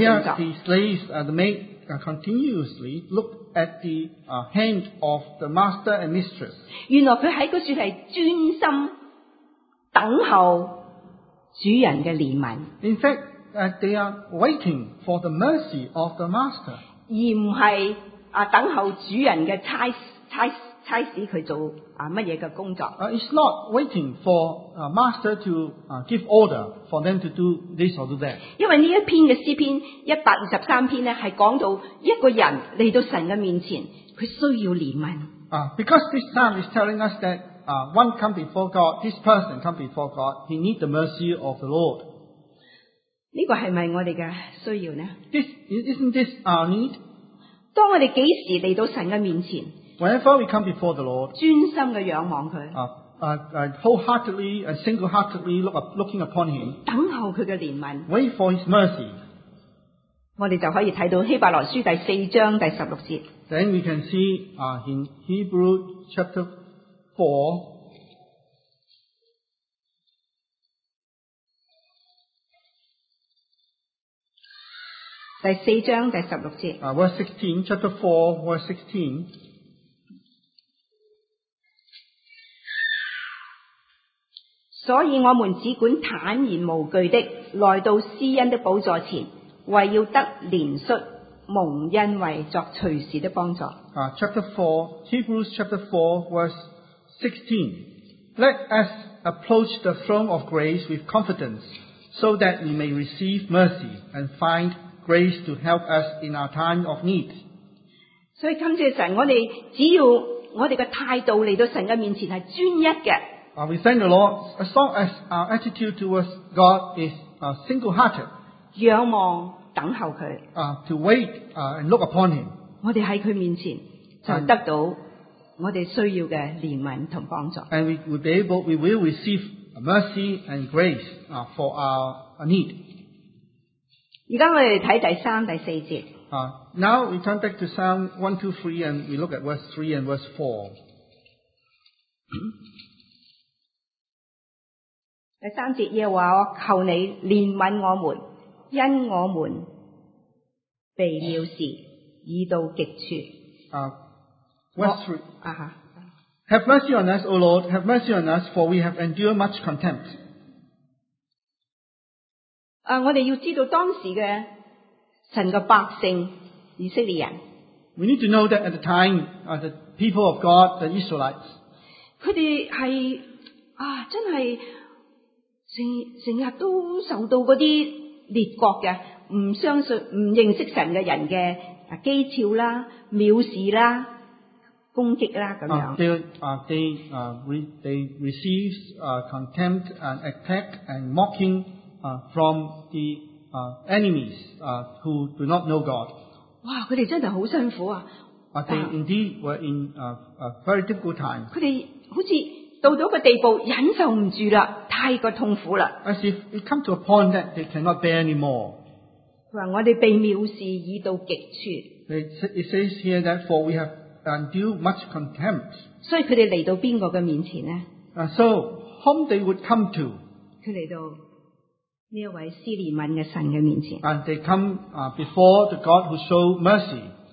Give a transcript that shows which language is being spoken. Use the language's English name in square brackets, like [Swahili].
[English] Here the slaves, the maid, continuously look at the hand of the master and mistress. [Chinese] 原来他在那树里专心等候主人的怜悯。 [English] In fact, they are waiting for the mercy of the master. [Chinese] 而不是等候主人的差使他做什么的工作。 [English] It's not waiting for a master to give order for them to do this or do that. [Chinese] 因为这一篇的诗篇123篇是讲到一个人来到神的面前他需要怜悯。 [English] Because this psalm is telling us that one come before God, this person come before God, he needs the mercy of the Lord. [Chinese] 这个是不是我们的需要呢 [English] Isn't this our need? [Chinese] 当我们几时来到神的面前 [English] Whenever we come before the Lord, [Chinese] 专心地仰望祂 [English] wholeheartedly and singleheartedly looking upon Him, [Chinese] 等候祂的怜悯 [English] wait for His mercy. [Chinese] 我们就可以看到希伯来书第四章第十六节 [English] Then we can see in Hebrews chapter 4, verse 16. [Chinese] 所以我们只管坦然无惧的来到施恩的宝座前，为要得怜恤蒙恩惠作随时的帮助。 [English] Hebrews chapter 4 verse 16. Let us approach the throne of grace with confidence, so that we may receive mercy and find grace to help us in our time of need. [Chinese] 所以感谢神，我们只要我们的态度来到神的面前是专一的。 [English] We thank the Lord as long as our attitude towards God is single-hearted. [Chinese] 仰望等候祂。 [English] To wait and look upon Him. [Chinese] 我们在祂面前就得到我们需要的怜悯和帮助。 [English] And we will receive mercy and grace for our need. [Chinese] 现在我们看第三、第四节。 [English] Now we turn back to Psalm 123 and we look at verse 3 and verse 4. [Chinese] 第三节耶和华，我求你怜悯我们，因我们被藐视，已到极处。 [English] Have mercy on us, O Lord, have mercy on us, for we have endured much contempt. [Chinese] 我们要知道当时的神的百姓以色列人。 [English] We need to know that at the time, the people of God, the Israelites, [Chinese] 他们是真是成日都受到那些列国的不相信不认识神的人的讥诮啦、藐视啦、攻击啦这样。 [English] They receive contempt and attack and mocking from the enemies who do not know God. [Chinese] 哇他们真的很辛苦啊。 [English] They indeed were in a very difficult time. [Chinese] 他们好像到了个地步忍受不住了太过痛苦了。 [English] As if it come to a point that they cannot bear anymore. [Chinese] 他说我们被藐视已到极处。 [English] It says here that for we have undue much contempt. So they came to whose face? So whom they would come to? They came to this one, Sulaiman's God's face. And they come before the God who show mercy.